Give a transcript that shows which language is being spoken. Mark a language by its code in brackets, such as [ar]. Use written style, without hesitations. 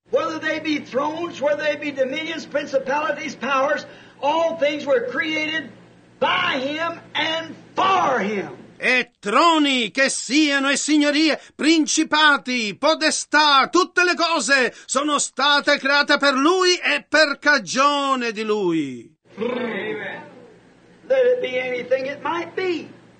[en] Whether they be thrones, whether they be dominions, principalities, powers, all things were created by him and for him. [it] E troni che siano e signorie, principati, podestà, tutte le cose sono state create per lui e per cagione di lui. [en] Amen. Let it be anything it might be.